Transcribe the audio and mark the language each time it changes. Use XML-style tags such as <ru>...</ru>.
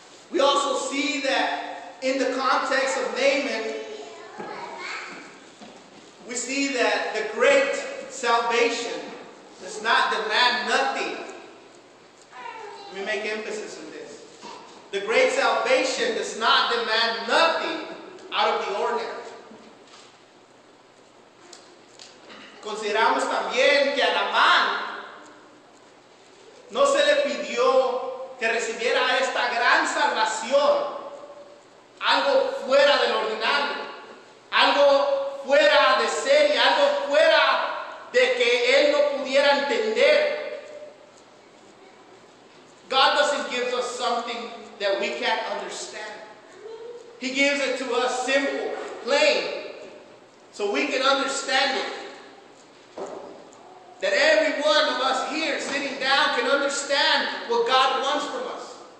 <en>We also see that in the context of Naaman, we see that the great salvation does not demand nothing. Let me make emphasis on this. The great salvation does not demand nothing out of the ordinary.</en> <es>Consideramos también que a Naaman no se le pidió que recibiera esta gran salvación, algo fuera del ordinario, algo fuera de serie, algo fuera de que él no pudiera entender.</es> <en>God doesn't give us something that we can't understand. He gives it to us simple, plain, so we can understand it. That every one of us here sitting down can understand what God wants from us.</en>